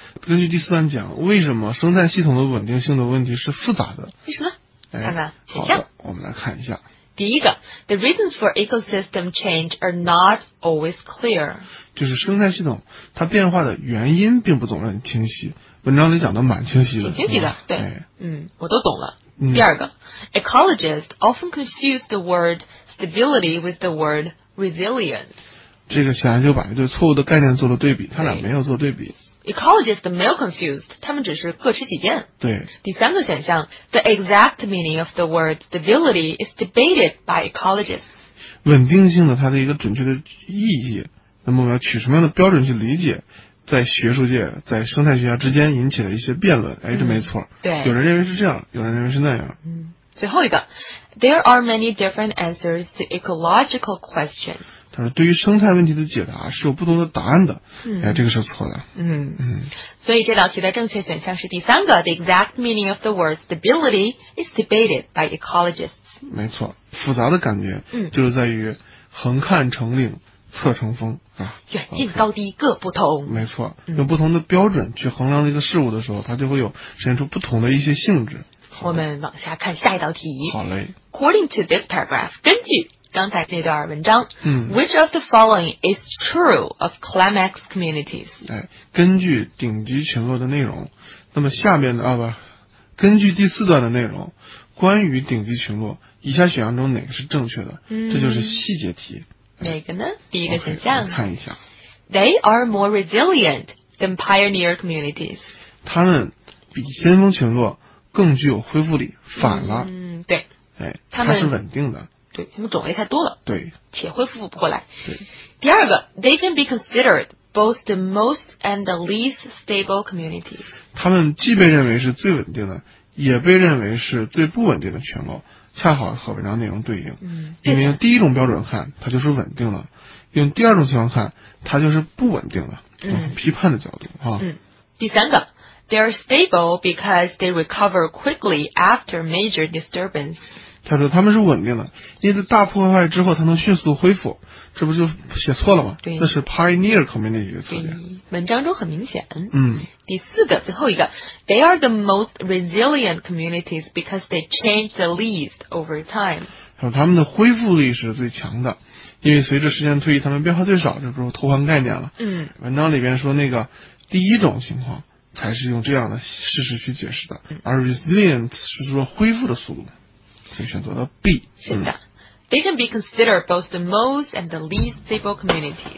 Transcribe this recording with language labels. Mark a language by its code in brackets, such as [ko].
[zh] 根据第四段讲，为什么生态系统的稳定性的问题是复杂的？为什么？看看，好的，我们来看一下。第一个 [en] ，the reasons for ecosystem change are not always clear。 [zh] 就是生态系统它变化的原因并不总是很清晰。文章里讲的蛮清晰的。挺清晰的，对，哎，嗯，我都懂了。嗯，第二个 [en] ，ecologists often confuse the word stability with the word resilience。 [zh] 这个显然就把一对错误的概念做了对比，他俩没有做对比。 Ecologists 没有 confused， 他们只是各持己见。对。第三个选项 [en] ，the exact meaning of the word stability is debated by ecologists。 [zh] 稳定性的它的一个准确的意义，那么我们要取什么样的标准去理解，在学术界、在生态学家之间引起了一些辩论。哎，这没错。对。有人认为是这样，有人认为是那样。嗯。最后一个 [en] ，there are many different answers to ecological questions。 [zh] 对于生态问题的解答是有不同的答案的，嗯，哎，这个是错的。嗯嗯，所以这道题的正确选项是第三个 [en] ，the exact meaning of the word stability is debated by ecologists。 [zh] 没错，复杂的感觉，嗯，就是在于横看成岭侧成峰啊，远近高低各不同。没错，用不同的标准去衡量一个事物的时候，它就会有呈现出不同的一些性质。我们往下看下一道题。好嘞。 [en] According to this paragraph， [zh] 根据刚才那段文章， [en] 嗯，Which of the following is true of climax communities？ [zh] 哎，根据顶级群落的内容，那么下面的啊不，根据第四段的内容，关于顶级群落，以下选项中哪个是正确的？嗯，这就是细节题。哪个呢？第一个选项。 Okay， 看一下。 [en] They are more resilient than pioneer communities。 [zh] 他们比先锋群落更具有恢复力。反了。嗯，对。哎，他们是稳定的。对，他们种类太多了，对，且恢复不过来。对，第二个 [en] ，they can be considered both the most and the least stable communities。 [zh] 他们既被认为是最稳定的，也被认为是最不稳定的群落，恰好和文章内容对应。嗯，因为用第一种标准看，它就是稳定的；用第二种情况看，它就是不稳定的。嗯，批判的角度啊。嗯，第三个 [en] ，they are stable because they recover quickly after major disturbance。 [zh] 他说他们是稳定的，因为大破坏之后他能迅速恢复，这不就写错了吗？对，那是 pioneer community 的词。文章中很明显。嗯。第四个，最后一个 [en] ，they are the most resilient communities because they change the least over time。 [zh] 他说他们的恢复力是最强的，因为随着时间推移，他们变化最少，这不是偷换概念了。嗯。文章里边说那个第一种情况才是用这样的事实去解释的，而 resilient 是说恢复的速度。选择了 B。是的，嗯。 [en] They can be considered both the most and the least stable communities。